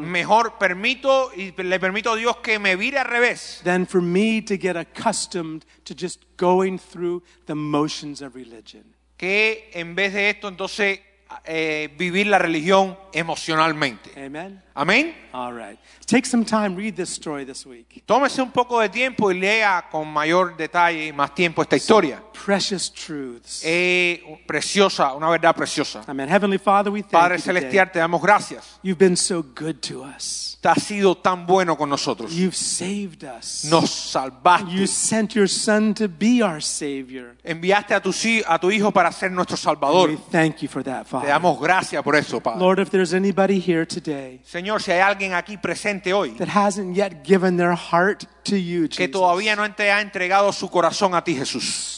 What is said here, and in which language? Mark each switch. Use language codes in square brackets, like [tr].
[es] Mejor permito y le permito a Dios que me vire al revés. [en] Than for me to get accustomed to just going through the motions of religion. [es] Que en vez de esto entonces vivir la religión emocionalmente. [en] Amen. Amen. All right. Take some time, read this story this week. [es] Tómese un poco de tiempo y lea con mayor detalle y más tiempo esta historia. [en] Some precious truths. [es] Preciosa, una verdad preciosa. [en] Amen. Heavenly Father, we thank [es] Padre [en] you [es] celestial, [en] today. [es] Te damos gracias. [en] You've been so good to us. [es] Te has sido tan bueno con nosotros. [en] You've saved us. [es] Nos salvaste. [en] You sent your son to be our savior. [es] Enviaste a tu hijo para ser nuestro salvador. [en] We thank you for that, Father. [es] Te damos gracias por eso, Padre. [en] Lord, if there's anybody here today, [es] Señor, si hay alguien aquí presente hoy, [en] that hasn't yet given their heart to you, Jesus, [es] que todavía no te ha entregado su corazón a ti, Jesús,